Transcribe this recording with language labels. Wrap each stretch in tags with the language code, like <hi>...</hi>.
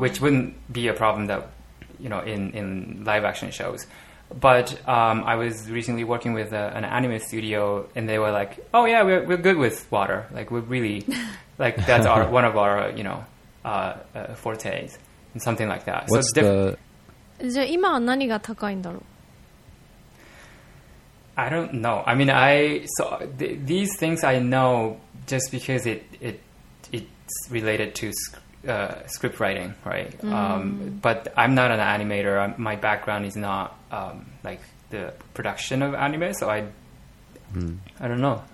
<en>Which wouldn't be a problem that, you know, in live action shows. But I was recently working with an anime studio, and they were like, "Oh yeah, we're good with water. Like we're really like that's our one of our you know fortes and something like that." What's</en> <ja>じゃあ今は何が高いんだろう?</ja> <en>I don't know. I mean, these things I know just because it's related to script writing, right? Mm-hmm. But I'm not an animator. My background is not like the production of anime, so I don't know.</en>